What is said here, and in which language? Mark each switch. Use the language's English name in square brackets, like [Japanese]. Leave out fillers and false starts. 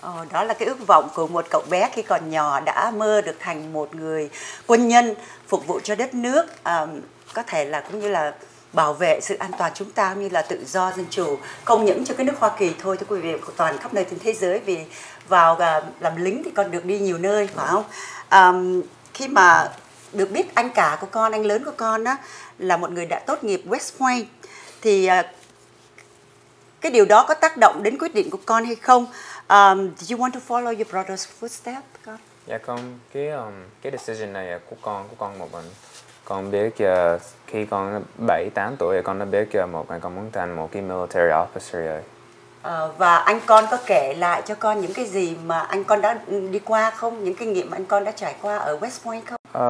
[Vietnamese] Đó là cái ước vọng của một cậu bé khi còn nhỏ đã mơ được thành một người quân nhân phục vụ cho đất nước, có thể là cũng như là bảo vệ sự an toàn chúng ta, như là tự do, dân chủ, không những cho cái nước Hoa Kỳ thôi, thưa quý vị, của toàn khắp nơi trên thế giới, vì vào làm lính thì con được đi nhiều nơi, phải không? Khi mà được biết anh cả của con, anh lớn của con á, là một người đã tốt nghiệp West Point, thì cái điều đó có tác động đến quyết định của con hay không? [English] Do you want to follow your brother's footsteps, con? [Vietnamese] Dạ, con, cái decision này của con một mình. Con biết khi con 7-8 tuổi, con đã biết một ngày con muốn thành một cái military officer rồi. Và anh con có kể lại cho con những cái gì mà anh con đã đi qua không? Những kinh nghiệm mà anh con đã trải qua ở West Point không?